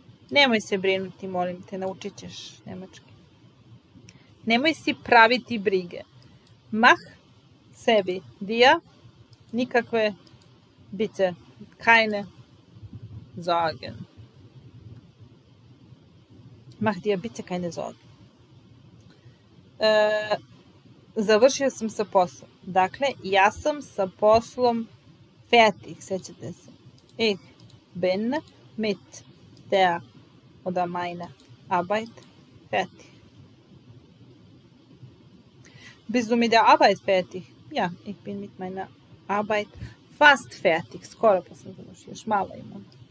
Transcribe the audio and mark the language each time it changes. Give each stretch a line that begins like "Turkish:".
Serbian: Nemoj se brinuti, molim te, naučit ćeš nemački. Nemoj si praviti brige.
German: Mach
Serbian: sebi
German: dir
Serbian: nikakve
German: bitte, keine Sorgen. Mach dir bitte keine Sorgen.
Serbian: Završio sam sa poslom. Dakle, ja sam sa poslom fertig, sećate se.
German: Ich bin mit der oder meine Arbeit fertig. Bist du mit der Arbeit fertig? Ja, ich bin mit meiner Arbeit fast fertig.
Serbian: Skoro pa sam završio, još malo imam.